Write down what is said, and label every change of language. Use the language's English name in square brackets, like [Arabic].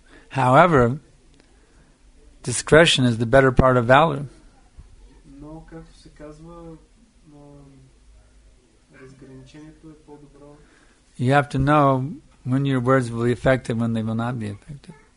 [English] However, discretion is the better part of valor. [Bulgarian] Но, както се казва, разграничението е по-добро. [English] You have to know when your words will be effective, when they will not be effective.